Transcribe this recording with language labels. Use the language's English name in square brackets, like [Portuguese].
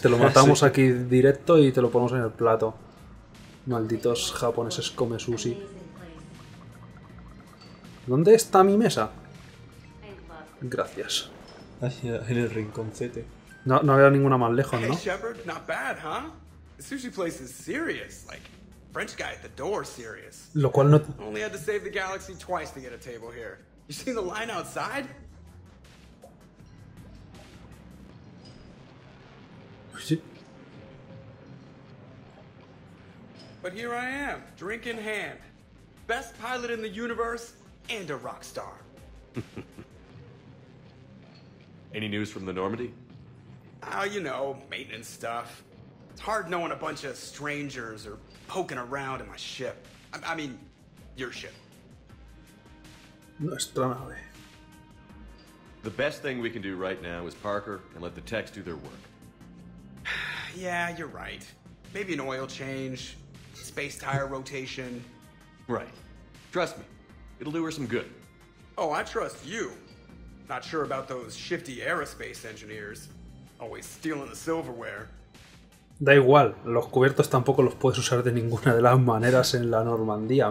[Spanish] Te lo matamos aquí directo y te lo ponemos en el plato. Malditos japoneses, come sushi. ¿Dónde está mi mesa? Gracias. Ahí en el rinconcete. No había ninguna más lejos, ¿no? [English] Hey, Shepard, not bad, huh? The sushi place is serious. Like, French guy at the door serious. [Spanish] Lo cual no... [English] Only had to save the galaxy twice to get a table here. You seen the line outside? [Spanish] Sí. [English] But here I am, drink in hand. Best pilot in the universe and a rock star. Any news from the Normandy? You know, maintenance stuff. It's hard knowing a bunch of strangers are poking around in my ship. I mean, your ship. [Spanish] Nuestra nave. [English] The best thing we can do right now is Parker and let the techs do their work. Yeah, you're right. Maybe an oil change, space tire rotation. Right. Trust me, it'll do her some good. Oh, I trust you. Not sure about those shifty aerospace engineers. Always stealing the silverware. [Spanish] Da igual, los cubiertos tampoco los puedes usar de ninguna de las maneras en la Normandía.